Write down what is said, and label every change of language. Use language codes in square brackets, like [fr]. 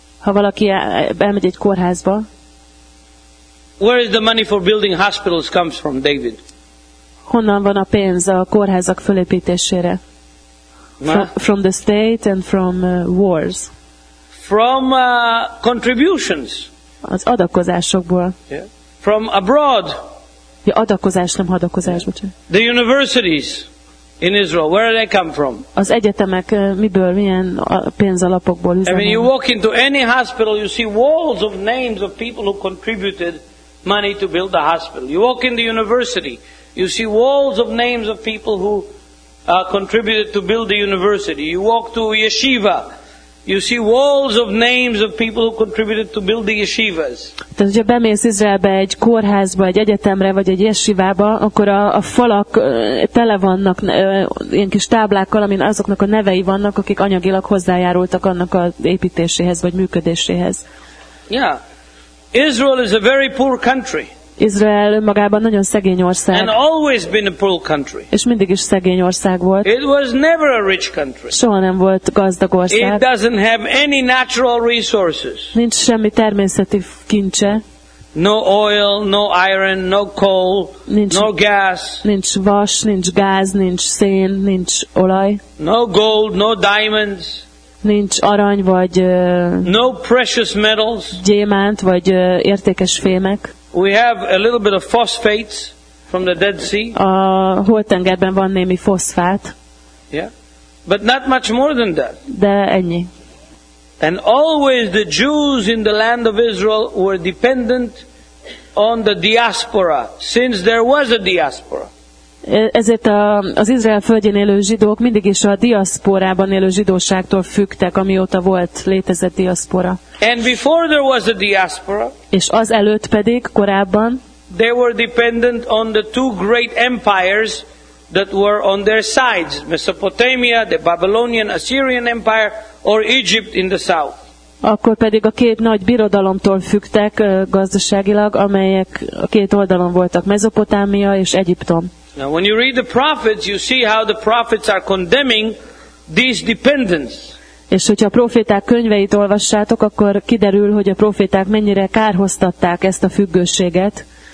[hu] ha valaki elmegy egy kórházba, [en] where is the money for building hospitals comes from, David? [hu] Honnan van a pénz a kórházak fölépítésére? [en] From the state and from wars. From contributions. [hu] Az adakozásokból. [en] Yeah. From abroad. [hu] Ja, adakozás, nem hadakozás, bocsánat. [en] The universities in Israel, where do they come from? [hu] Az egyetemek miből, milyen pénzalapokból üzemelnek? [en] I mean, you walk into any hospital, you see walls of names of people who contributed money to build the hospital. You walk in the university, you see walls of names of people who contributed to build the university. You walk to yeshiva, you see walls of names of people who contributed to build the yeshivas. [hu] Tehát, hogyha bemész Izraelbe egy kórházba, egy egyetemre, vagy egy yeshivába, akkor a falak tele vannak ilyen kis táblákkal, amin azoknak a nevei vannak, akik anyagilag hozzájárultak annak az építéséhez, vagy működéséhez. [en] Yeah. Israel is a very poor country. [hu] Izrael önmagában nagyon szegény ország. [en] And always been a poor country. [hu] És mindig is szegény ország volt. [en] It was never a rich country. [hu] Soha nem volt gazdag ország. [en] It doesn't have any natural resources. [hu] Nincs semmi természeti kincse. [en] No oil, no iron, no coal, no gas. [hu] Nincs vas, nincs gáz, nincs szén, nincs olaj. [en] No gold, no diamonds. [hu] Nincs arany vagy [en] no precious metals. [hu] Gyémánt vagy értékes fémek. [en] We have a little bit of phosphates from the Dead Sea. [hu] A Holtengerben van némi foszfát. [en] Yeah. But not much more than that. [hu] De ennyi. [en] And always the Jews in the land of Israel were dependent on the diaspora, since there was a diaspora. [hu] Ezért az Izrael földjén élő zsidók mindig is a diaszporában élő zsidóságtól fügtek, amióta volt, létezett diaszpora. [en] And before there was a diaspora, [hu] és az előtt pedig, korábban, [en] they were dependent on the two great empires that were on their sides, Mesopotamia, the Babylonian Assyrian Empire, or Egypt in the south. [hu] Akkor pedig a két nagy birodalomtól fügtek gazdaságilag, amelyek a két oldalon voltak, Mezopotámia és Egyiptom. [en] Now, when you read the prophets, you see how the prophets are condemning these dependents. [hu] És hogyha a proféták könyveit olvassátok, akkor kiderül, hogy a proféták mennyire kárhoztatták ezt a függőséget.